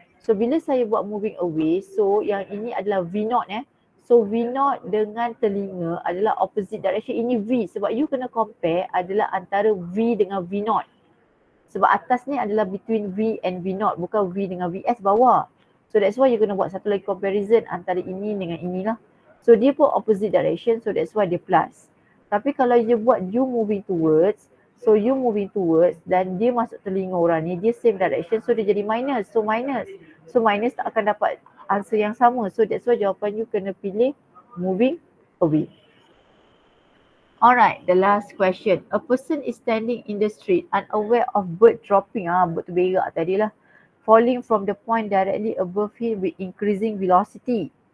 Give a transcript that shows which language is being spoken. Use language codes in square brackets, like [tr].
[ms] So bila saya buat [en] moving away, [ms] so yang ini adalah V not eh. So V not dengan telinga adalah [en] opposite direction. [ms] Ini V sebab you kena compare adalah antara V dengan V not. Sebab atas ni adalah [en] between V and V not, [ms] bukan V dengan VS bawah. [en] So that's why [ms] you kena buat satu lagi comparison antara ini dengan inilah. So dia pun [en] opposite direction, so that's why [ms] dia plus. Tapi kalau you buat you [en] moving towards, [ms] so you moving towards dan dia masuk telinga orang ni, dia [en] same direction, [ms] so dia jadi minus. So minus. So minus tak akan dapat answer yang sama. [en] So that's why [ms] jawapan you kena pilih [en] moving away. Alright, the last question. A person is standing in the street unaware of bird dropping. [ms] Ah, bird tu berak tadi lah. [en] Falling from the point directly above him with increasing velocity.